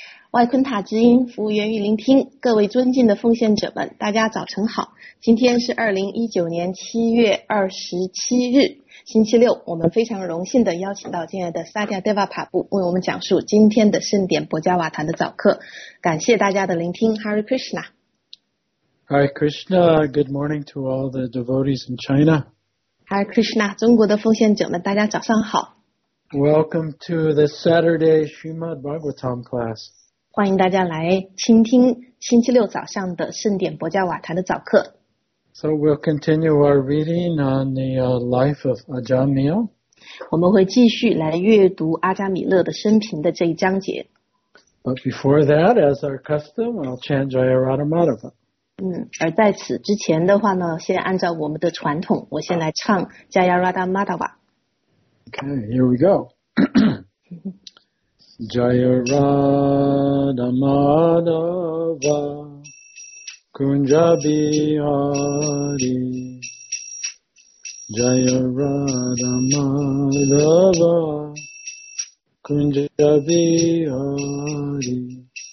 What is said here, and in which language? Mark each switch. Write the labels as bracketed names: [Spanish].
[Chinese] 外昆塔之音，服务源于聆听。各位尊敬的奉献者们，大家早晨好。今天是2019年7月27日，星期六。我们非常荣幸地邀请到今日的萨迦德瓦帕布为我们讲述今天的圣典博加瓦坛的早课。感谢大家的聆听。Hare Krishna。 [English] Hare Krishna, good morning to all the devotees in China. [Chinese] Hare Krishna, 中国的奉献者们，大家早上好。 [English] Welcome to the Saturday Srimad Bhagavatam class. [Chinese] 欢迎大家来倾听星期六早上的圣典博加瓦坛的早课。 [English] So we'll continue our reading on the life of Ajamila. [Chinese] 我们会继续来阅读阿加米勒的生平的这一章节。 [English] But before that, as our custom, I'll chant Jaya Radha Madhava. [Chinese] 而在此之前的话呢，先按照我们的传统，我先来唱 Jaya Radha Madhava。 [English] Okay, here we go. Jaya Radha Madhava Kunja Bihari Jaya Radha Madhava Kunja Bihari